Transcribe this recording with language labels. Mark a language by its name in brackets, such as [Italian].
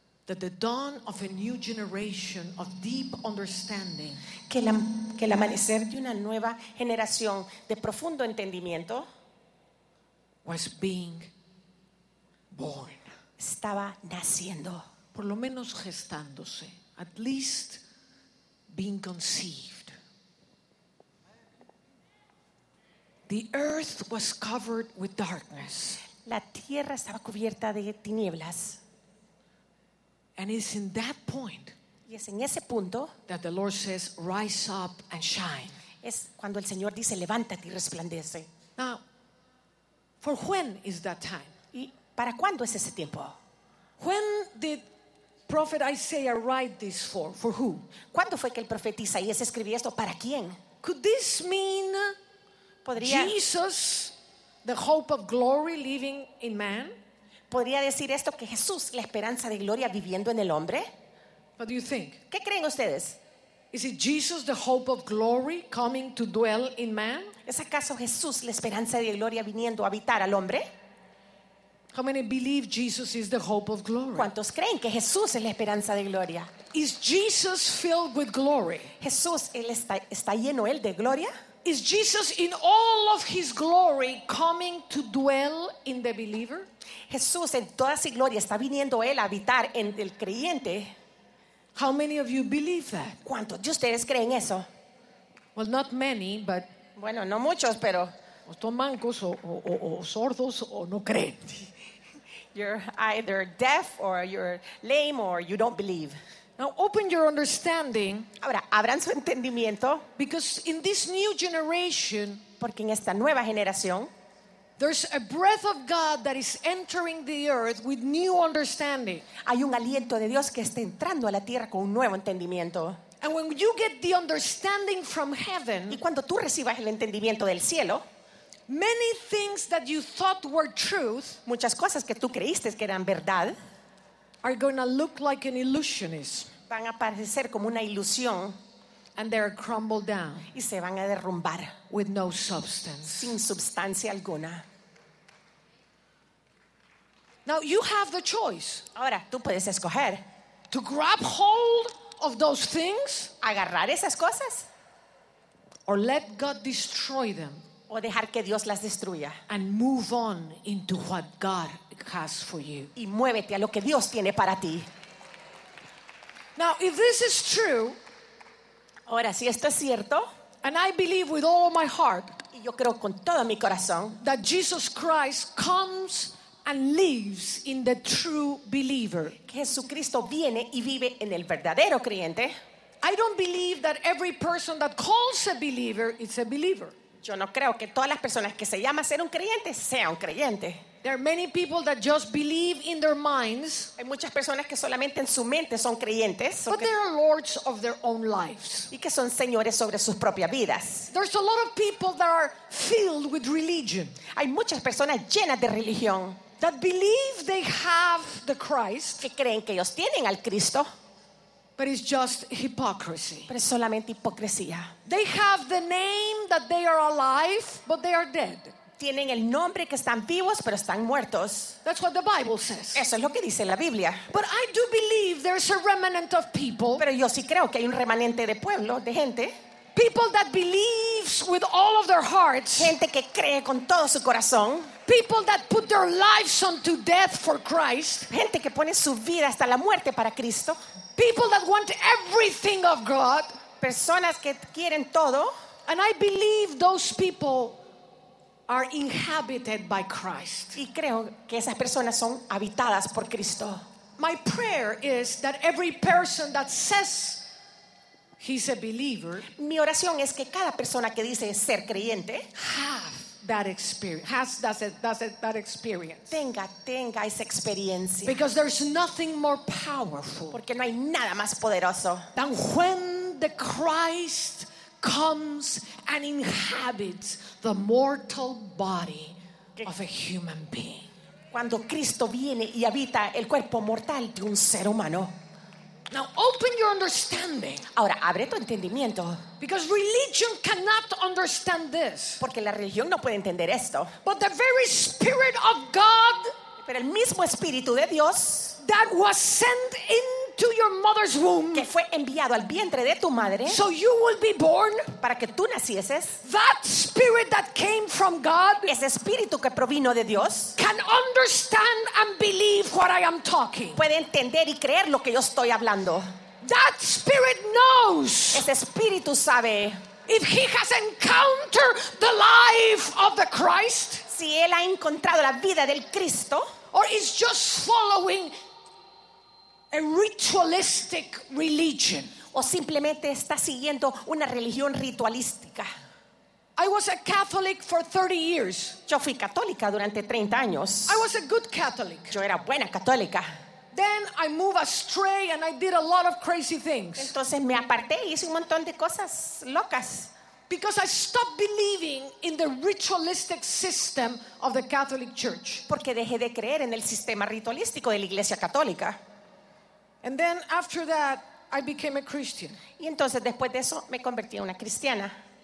[English] That the dawn of a new generation of deep understanding. [Spanish] Que el amanecer de una nueva generación de profundo entendimiento. [English] Was being born. [Spanish] Estaba naciendo. Por lo menos gestándose. [English] At least being conceived. The earth was covered with darkness. [Spanish] La tierra estaba cubierta de tinieblas. [English] And it's in that point. [Spanish] Y es en ese punto. [English] That the Lord says, "Rise up and shine." [Spanish] Es cuando el Señor dice, "Levántate y resplandece." [English] Now, for when is that time? [Spanish] ¿Y para cuándo es ese tiempo? [English] When did Prophet Isaiah write this for? For who? [Spanish] ¿Cuándo fue que el profeta Isaías escribió esto? ¿Para quién? [English] Could this mean Jesus, the hope of glory living in man? [Spanish] ¿Podría decir esto que Jesús, la esperanza de gloria viviendo en el hombre? [English] What do you think? [Spanish] ¿Qué creen ustedes? [English] Is it Jesus, the hope of glory coming to dwell in man? [Spanish] ¿Es acaso Jesús, la esperanza de gloria viniendo a habitar al hombre? [English] How many believe Jesus is the hope of glory? [Spanish] ¿Cuántos creen que Jesús es la esperanza de gloria? [English] Is Jesus filled with glory? [Spanish] ¿Jesús él está lleno él de gloria? [English] Is Jesus in all of his glory coming to dwell in the believer? [Spanish] ¿Jesús en toda su gloria está viniendo él a habitar en el creyente? [English] How many of you believe that? [Spanish] ¿Cuántos de ustedes creen eso? [English] Well, not many, but [Spanish] bueno, no muchos, pero o son mancos o sordos o no creen. [English] You're either deaf or you're lame or you don't believe. Now open your understanding. [Spanish] Ahora abran su entendimiento. [English] Because in this new generation, [Spanish] porque en esta nueva generación, [English] there's a breath of God that is entering the earth with new understanding. [Spanish] Hay un aliento de Dios que está entrando a la tierra con un nuevo entendimiento. [English] And when you get the understanding from heaven, [Spanish] y cuando tú recibas el entendimiento del cielo, [English] many things that you thought were truth, [Spanish] muchas cosas que tú creíste que eran verdad, [English] are going to look like an illusionist. [Spanish] Van a parecer como una ilusión. [English] And they are crumbled down. [Spanish] Y se van a derrumbar. [English] With no substance. [Spanish] Sin sustancia alguna. [English] Now you have the choice. [Spanish] Ahora tú puedes escoger. [English] To grab hold of those things. [Spanish] Agarrar esas cosas. [English] Or let God destroy them. [Spanish] O dejar que Dios las destruya. [English] And move on into what God has for you. [Spanish] Y muévete a lo que Dios tiene para ti. [English] Now, if this is true, [Spanish] ahora si esto es cierto, [English] and I believe with all my heart, [Spanish] y yo creo con todo mi corazón, [English] that Jesus Christ comes and lives in the true believer. [Spanish] Que Jesucristo viene y vive en el verdadero creyente. [English] I don't believe that every person that calls a believer is a believer. [Spanish] Yo no creo que todas las personas que se llama ser un creyente sea un creyente. [English] There are many people that just believe in their minds. [Spanish] Hay muchas personas que solamente en su mente son creyentes. [English] But they are lords of their own lives. [Spanish] Y que son señores sobre sus propias vidas. [English] There's a lot of people that are filled with religion. [Spanish] Hay muchas personas llenas de religión. [English] That believe they have the Christ. [Spanish] Que creen que ellos tienen al Cristo. [English] But it's just hypocrisy. [Spanish] Pero es solamente hipocresía. [English] They have the name that they are alive, but they are dead. [Spanish] Tienen el nombre que están vivos, pero están muertos. [English] That's what the Bible says. [Spanish] Eso es lo que dice la Biblia. [English] But I do believe there's a remnant of people. [Spanish] Pero yo sí creo que hay un remanente de pueblo, de gente. [English] People that believes with all of their hearts. [Spanish] Gente que cree con todo su corazón. [English] People that put their lives unto death for Christ. [Spanish] Gente que pone su vida hasta la muerte para Cristo. [English] People that want everything of God. [Spanish] Personas que quieren todo. [English] And I believe those people are inhabited by Christ. [Spanish] Y creo que esas personas son habitadas por Cristo. [English] My prayer is that every person that says he's a believer, [Spanish] mi oración es que cada persona que dice ser creyente, [English] has that experience. [Spanish] Tenga esa experiencia. [English] Because there's nothing more powerful. [Spanish] Porque no hay nada más poderoso. [English] Than when the Christ comes and inhabits the mortal body of a human being. [Spanish] Cuando Cristo viene y habita el cuerpo mortal de un ser humano. [English] Now open your understanding. [Spanish] Ahora abre tu entendimiento. [English] Because religion cannot understand this. [Spanish] Porque la religión no puede entender esto. [English] But the very spirit of God, [Spanish] Pero el mismo Espíritu de Dios [English] that was sent in to your mother's womb, [Spanish] que fue enviado al vientre de tu madre, [English] so you will be born, [Spanish] para que tú nacieses, [English] that spirit that came from God, [Spanish] ese espíritu que provino de Dios, [English] can understand and believe what I am talking. [Spanish] Puede entender y creer lo que yo estoy hablando. [English] That spirit knows. [Spanish] Ese espíritu sabe. [English] If he has encountered the life of the Christ, [Spanish] si él ha encontrado la vida del Cristo, [English] or is just following a ritualistic religion. [Spanish] O simplemente está siguiendo una religión ritualística. [English] I was a Catholic for 30 years. [Spanish] Yo fui católica durante 30 años. [English] I was a good Catholic. [Spanish] Yo era buena católica. [English] Then I moved astray and I did a lot of crazy things. [Spanish] Entonces me aparté y hice un montón de cosas locas. [English] Because I stopped believing in the ritualistic system of the Catholic Church. [Spanish] Porque dejé de creer en el sistema ritualístico de la Iglesia Católica. [English] And then after that, I became a Christian. [Spanish] Y entonces después de eso me convertí en una cristiana.